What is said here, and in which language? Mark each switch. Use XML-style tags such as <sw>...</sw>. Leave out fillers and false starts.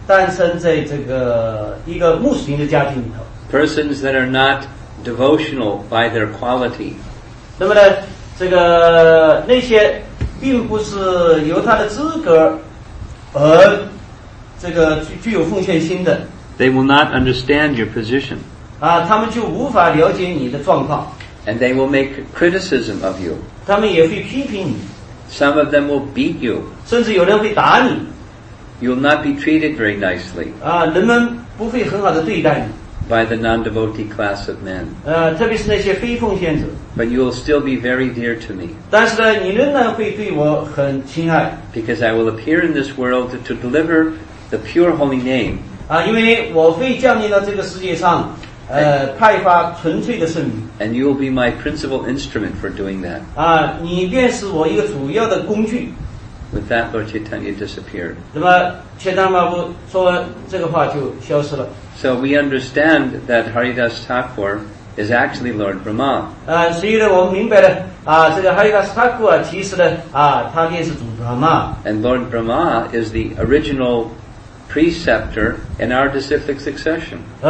<zh>那这一点铁丹罗说这点你不用担心那么呢这个你将成为了这个唱诵圣名之师你将呢诞生在这个一个穆斯林的家庭里头</zh> <en>Persons that are not devotional by their quality</en> <zh>那么呢这个那些 并不是由他的资格而这个具有奉献心的</zh> <en>They will not understand your position.</en> <zh>他们就无法了解你的状况</zh> <en>And they will make criticism of you.</en> <zh>他们也会批评你</zh> <en>Some of them will beat you.</en> <zh>甚至有人会打你</zh> <en>You will not be treated very nicely.</en> <zh>人们不会很好地对待你</zh> <en>By the non-devotee class of men.</en> <zh>特别是那些非奉献者</zh> <en>But you will still be very dear to me.</en> <zh>但是呢,你仍然会对我很亲爱。</zh> <en>Because I will appear in this world to deliver the pure holy name.</en> <zh>因为我会降临到这个世界上, 派发纯粹的圣名。</zh> <en>And you will be my principal instrument for doing that.</en> <zh>你便是我一个主要的工具。</zh> <en>With that, Lord Chaitanya disappeared.</en> <zh>那么,切丹马布说完这个话就消失了。</zh> <en>So we understand that Haridas Thakur is actually Lord Brahma.</en> <zh>所以呢,我们明白了,这个Haridas Thakur其实呢,他便是主Brahma。</zh> <en>And Lord Brahma is the original preceptor in our disciplic succession.</en>